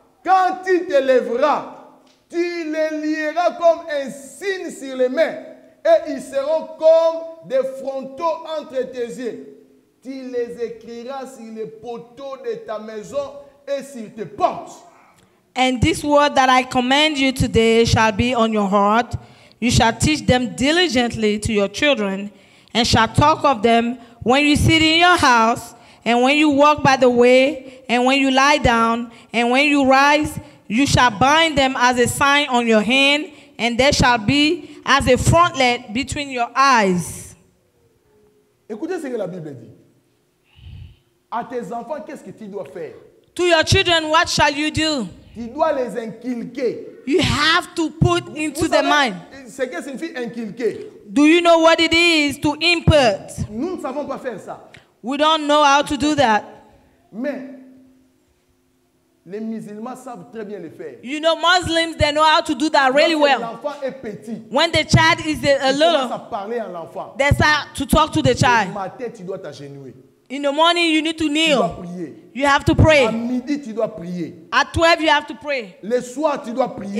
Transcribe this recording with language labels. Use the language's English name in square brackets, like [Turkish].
[French] Quand tu te lèveras. Tu les lieras comme un signe sur les mains et ils seront comme des frontaux entre tes yeux. Tu les écriras sur les poteaux de ta maison et sur tes portes. [English] And this word that I command you today shall be on your heart. You shall teach them diligently to your children and shall talk of them when you sit in your house and when you walk by the way and when you lie down and when you rise. You shall bind them as a sign on your hand, and they shall be as a frontlet between your eyes. [French] Écoutez ce que la Bible dit. À tes enfants, qu'est-ce que tu dois faire? [English] To your children, what shall you do? [French] Tu dois les inculquer. [English] You have to put into [French] Vous savez, [English] their mind. [French] C'est que signifie inculquer? [English] Do you know what it is to impart? [French] Nous ne savons pas faire ça. [English] We don't know how to do that. [French] Mais les musulmans savent très bien le faire. [English] You know, Muslims, they know how to do that really well. [French] L'enfant est petit. [English] When the child is a little, [French] ils commencent à parler à l'enfant. [English] They start to talk to the child. [French] Le matin, tu dois t'agenouiller. [English] In the morning, you need to kneel. [French] Tu dois prier. [English] You have to pray. [French] À midi, tu dois prier. [English] At 12, you have to pray. [French] Le soir, tu dois prier.